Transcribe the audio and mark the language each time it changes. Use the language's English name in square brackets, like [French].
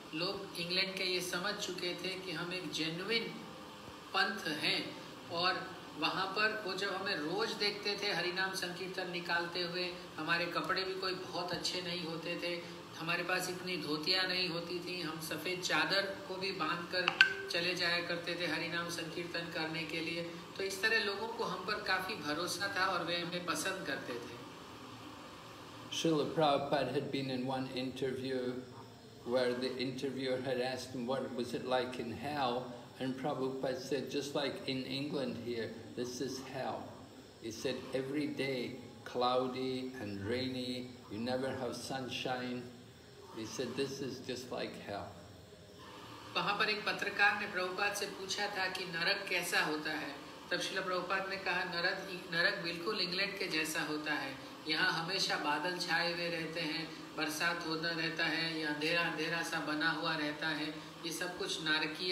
[Hindi] Log England ke ye samajh chuke the ki hum ek genuine panth hain, aur वहाँ पर वो जब हमें रोज़ देखते थे हरिनाम संकीर्तन निकालते हुए, हमारे कपड़े भी कोई बहुत अच्छे नहीं होते थे, हमारे पास इतनी धोतियाँ नहीं होती थी, हम सफ़ेद चादर को भी बांध कर चले जाया करते थे हरिनाम संकीर्तन करने के लिए, तो इस तरह लोगों को हम पर काफ़ी भरोसा था और वे हमें पसंद करते थे. [English] Srila Prabhupada had been in one interview where the interviewer had asked him what was it like in hell. And Prabhupada said, just like in England here, this is hell. He said, every day, cloudy and rainy, you never have sunshine. He said, this is just like hell. [Hindi] वहाँ पर एक पत्रकार ने प्रभुपाद से पूछा था कि नरक कैसा होता है? तब श्रील प्रभुपाद ने कहा, नरक बिल्कुल इंग्लैंड के जैसा होता है. यहाँ हमेशा बादल छाए हुए रहते हैं, बरसात होता रहता है, या अंधेरा अंधेरा सा बना हुआ रहता है.